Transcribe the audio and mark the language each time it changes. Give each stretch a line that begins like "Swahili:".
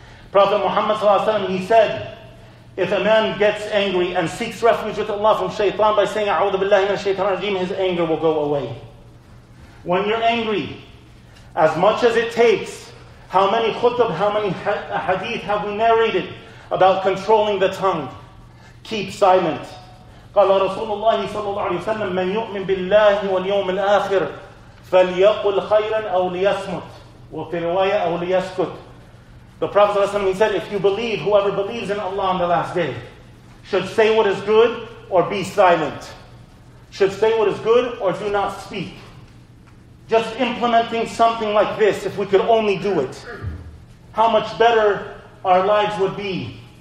English: Prophet Muhammad sallallahu alaihi wasallam, he said, if a man gets angry and seeks refuge with Allah from shaytan by saying,
Arabic: "A'udhu billahi min ash-shaytan ar-rajim,"
English: his anger will go away. When you're angry, as much as it takes, how many khutb, how many hadith have we narrated about controlling the tongue? Keep silent.
Arabic: قال رسول الله صلى الله عليه وسلم من يؤمن بالله واليوم الآخر فَلْيَقُلْ خَيْرًا أَوْ لِيَسْمُتْ وَفِي رِوَيَةٍ أَوْ لِيَسْكُتْ.
English: The Prophet ﷺ, he said, if you believe, whoever believes in Allah on the last day, should say what is good or be silent. Should say what is good or do not speak. Just implementing something like this, if we could only do it, how much better our lives would be.